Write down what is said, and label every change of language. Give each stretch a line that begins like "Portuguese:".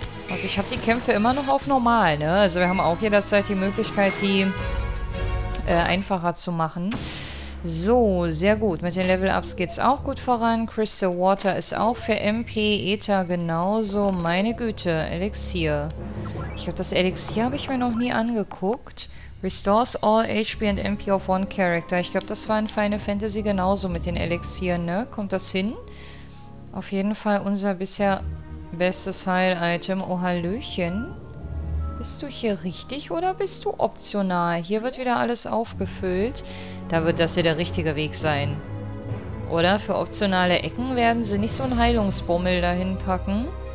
German: Und ich habe die Kämpfe immer noch auf normal, ne? Also wir haben auch jederzeit die Möglichkeit, die einfacher zu machen. So, sehr gut. Mit den Level-Ups geht es auch gut voran. Crystal Water ist auch für MP, Ether genauso. Meine Güte, Elixier. Ich glaube, das Elixier habe ich mir noch nie angeguckt.
English: Restores all HP and MP of one character.
German: Ich glaube, das war in Final Fantasy genauso mit den Elixieren, ne? Kommt das hin? Auf jeden Fall unser bisher bestes Heil-Item. Oh, Hallöchen. Bist du hier richtig oder bist du optional? Hier wird wieder alles aufgefüllt. Da wird das hier der richtige Weg sein. Oder? Für optionale Ecken werden sie nicht so einen Heilungsbummel dahin packen.